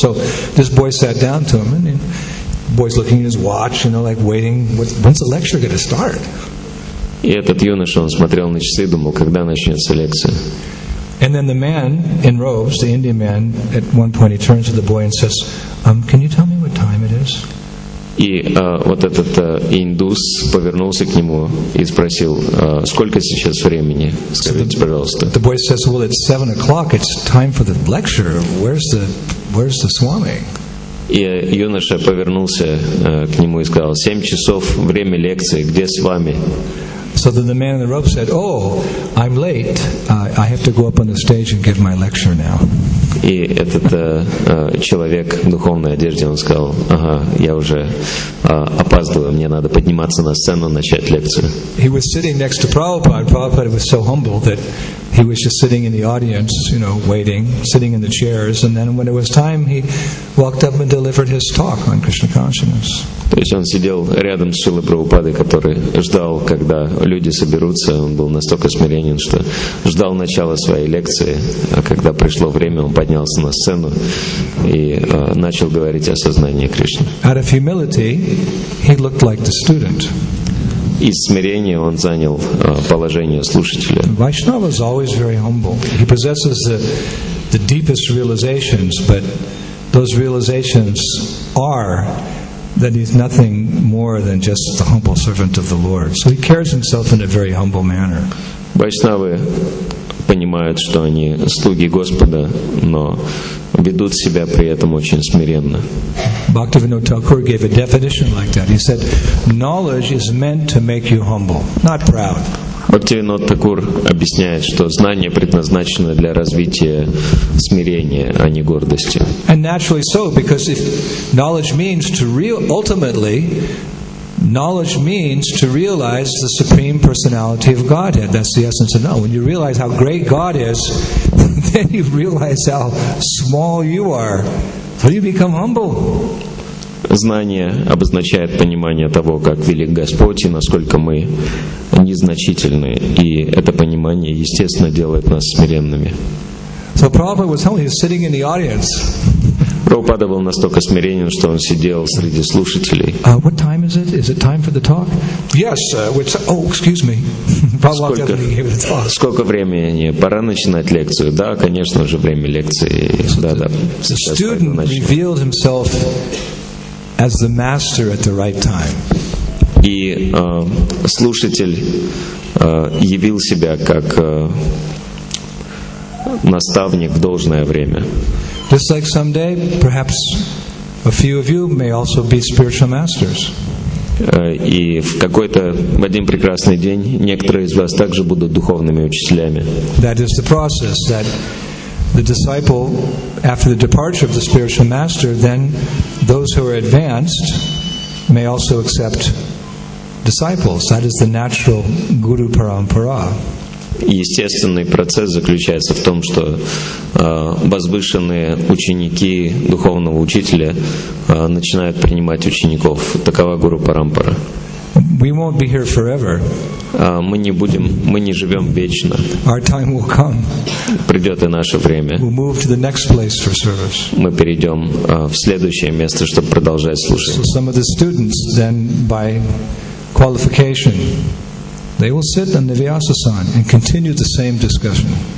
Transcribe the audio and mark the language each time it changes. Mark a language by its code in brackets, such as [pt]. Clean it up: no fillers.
[en] So this boy sat down to him, and the boy's looking at his watch, like waiting, when's the lecture going to start? [ru] И этот юноша, он смотрел на часы, думал, когда начнется лекция. [en] And then the man in robes, the Indian man, at one point he turns to the boy and says, can you tell me what time it is? [ru] И вот этот индус повернулся к нему и спросил, сколько сейчас времени, скажите, пожалуйста. [en] The boy says, well, it's 7 o'clock, it's time for the lecture, where's the Swami? [ru] И юноша повернулся к нему и сказал, 7 часов, время лекции, где Свами? [en] So then the man in the robe said, oh, I'm late, I have to go up on the stage and give my lecture now. [ru] И этот человек в духовной одежде, он сказал, ага, я уже опаздываю, мне надо подниматься на сцену, начать лекцию. [en] He was sitting next to Prabhupada. Prabhupada was so humble that he was just sitting in the audience, you know, waiting, sitting in the chairs, and then when it was time, he walked up and delivered his talk on Krishna consciousness. [ru] То есть он сидел рядом с Шрилой Прабхупадой, который ждал, когда люди соберутся, он был настолько смиренен, что ждал начала своей лекции, а когда пришло время, он поднялся на сцену и начал говорить о сознании Кришны. [en] Out of humility, he looked like the student. [ru] Из смирения он занял положение слушателя. [en] Vaishnava is always very humble. He possesses the deepest realizations, but those realizations are that he's nothing more than just the humble servant of the Lord. So he carries himself in a very humble manner. [ru] Vaishnavы понимают, что они слуги Господа, но ведут себя при этом очень смиренно. [en] Bhaktivinoda Thakur gave a definition like that. He said, knowledge is meant to make you humble, not proud. [ru] Bhaktivinoda Thakur объясняет, что знание предназначено для развития смирения, а не гордости. [en] And naturally so, because if knowledge means to real, ultimately, knowledge means to realize the Supreme Personality of Godhead. That's the essence of knowledge. When you realize how great God is, then you realize how small you are. So you become humble. [ru] Знание обозначает понимание того, как велик Господь и насколько мы незначительны. И это понимание, естественно, делает нас смиренными. [en] So Prabhupada was humble. He was sitting in the audience. [ru] Прабхупада был настолько смиренен, что он сидел среди слушателей. [en] What time is it? Is it time for the talk? Yes, which... Oh, excuse me. Prabhupada definitely gave the talk. [ru] Сколько времени? Пора начинать лекцию. Да, конечно же, время лекции. Да. [en] The student revealed himself as the master at the right time. [ru] И слушатель явил себя как наставник в должное время. [en] Just like someday, perhaps a few of you may also be spiritual masters. [ru] И в какой-то, в один прекрасный день, некоторые из вас также будут духовными учителями. [en] That is the process, that the disciple, after the departure of the spiritual master, then those who are advanced may also accept disciples. That is the natural guru parampara. [ru] Естественный процесс заключается в том, что возвышенные ученики духовного учителя начинают принимать учеников. Такова гуру парампара. [en] We won't be here forever. [ru] Мы не живем вечно. [en] Our time will come. [ru] Придет и наше время. [en] We'll move to the next place for service. [ru] Мы перейдем в следующее место, чтобы продолжать слушать. [en] So some of the students then by qualification they will sit on the Vyasasan and continue the same discussion.